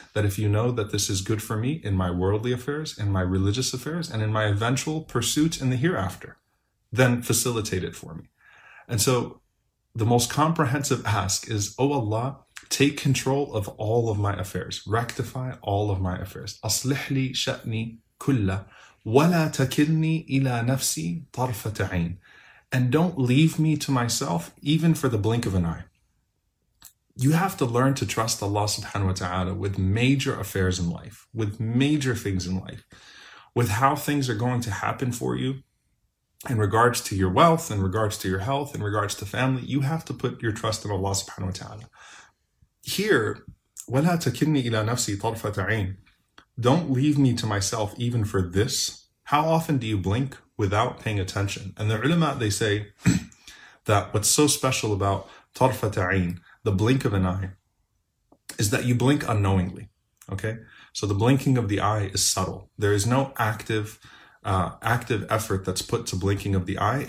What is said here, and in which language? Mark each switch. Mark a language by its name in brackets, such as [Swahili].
[English] That if you know that this is good for me in my worldly affairs, in my religious affairs, and in my eventual pursuit in the hereafter, then facilitate it for me. And so the most comprehensive ask is, oh Allah, take control of all of my affairs. Rectify all of my affairs. [Arabic] أصلح لي شأني كله ولا تكلني إلى نفسي طرفة عين. [English] And don't leave me to myself, even for the blink of an eye. You have to learn to trust Allah subhanahu wa ta'ala with major affairs in life, with major things in life, with how things are going to happen for you, in regards to your wealth, in regards to your health, in regards to family. You have to put your trust in Allah subhanahu wa ta'ala. [Arabic] Here, وَلَا تَكِنِّي إِلَىٰ نَفْسِي طَرْفَةَ عَيْنِ. [English] Don't leave me to myself even for this. How often do you blink without paying attention? And the ulama, they say that what's so special about [Arabic] طَرْفَةَ عَيْنِ, [English] the blink of an eye, is that you blink unknowingly, okay? So the blinking of the eye is subtle. There is no active effort that's put to blinking of the eye.